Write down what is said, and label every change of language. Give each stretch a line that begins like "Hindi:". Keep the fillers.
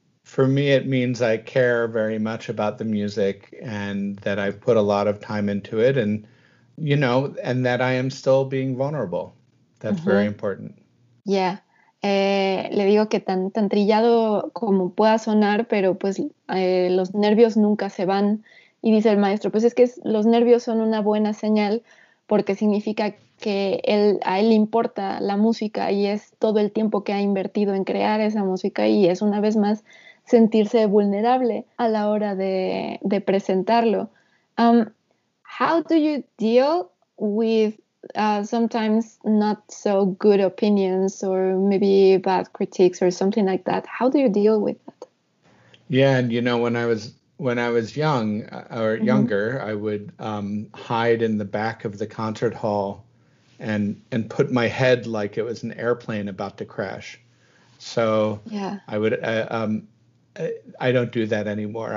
English: for me it means I care very much about the music and that I've put a lot of time into it and you know and that I am still being vulnerable. That's mm -hmm. very important. Yeah.
Spanish: Eh, le digo que tan, tan, trillado como pueda sonar, pero pues eh, los nervios nunca se van. Y dice el maestro, pues es que es, los nervios son una buena señal porque significa que él, a él le importa la música y es todo el tiempo que ha invertido en crear esa música y es una vez más sentirse vulnerable a la hora de, de presentarlo.
English: Um, how do you deal with Uh, sometimes not so good opinions or maybe bad critiques or something like that how do you deal with that yeah and you know when i was when i was young uh, or mm -hmm. younger i would um, hide in the back of the concert hall and and put my head like it was an airplane about to crash so yeah i would uh, um, I don't do that anymore.